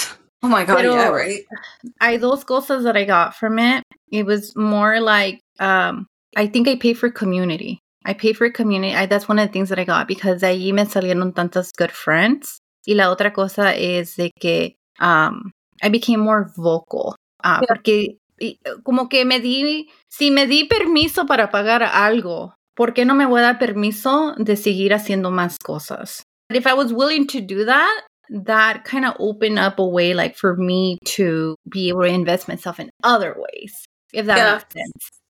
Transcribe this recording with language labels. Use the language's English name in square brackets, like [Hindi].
[English] Yes. Oh my God, pero, yeah, right? [Spanish] Hay dos cosas [English] that I got from it. It was more like, I think I paid for community. I paid for community. That's one of the things that I got, because [Spanish] ahí me salieron tantas [English] good friends. [Spanish] Y la otra cosa es de que [English] I became more vocal. [Spanish] Porque como que si me di permiso para pagar algo, ¿por qué no me voy a dar permiso de seguir haciendo más cosas? [English] But if I was willing to do that, that kind of opened up a way, like, for me to be able to invest myself in other ways, if that makes sense.